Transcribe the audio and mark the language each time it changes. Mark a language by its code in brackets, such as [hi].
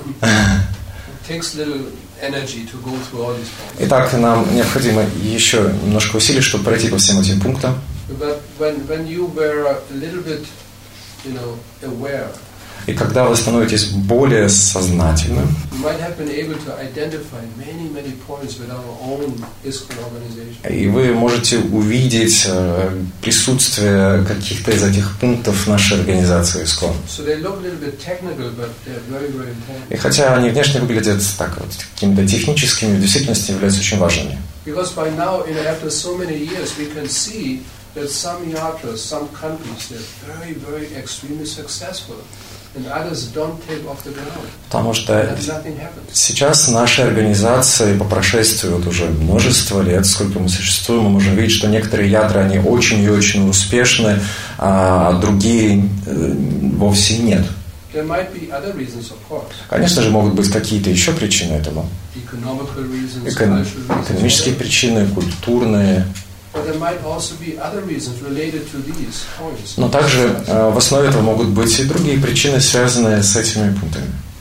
[en] It takes little energy to go through all these points. [ru] Итак, нам необходимо еще немножко усилий, чтобы пройти по всем этим пунктам. [en] But when you were a little bit, you know, aware. [ru] И когда вы становитесь более сознательным, [en] you might have been able to identify many, many points with our own ISKCON organization. [ru] И вы можете увидеть присутствие каких-то из этих пунктов в нашей организации ISKCON. [en] So they look a little bit technical, but they're very, very important. [ru] И хотя они внешне выглядят так вот какими-то техническими, в действительности являются очень важными. [en] Because by now, you know, after so many years, we can see that some yatras, some countries, they're very, very extremely successful, and others don't take off the ground. [ru] Потому что сейчас наша организация, по прошествии вот уже множества лет, сколько мы существуем, мы можем видеть, что некоторые ядра они очень и очень успешны, а другие вовсе нет. [en] There might be other reasons, of course. [ru] Конечно же, могут быть какие-то еще причины этому. [en] Economical reasons, cultural reasons. [ru] Экономические причины, культурные. [en] But there might also be other reasons related to these points. [ru] Но также в основе этого могут быть и другие причины, связанные с этими пунктами.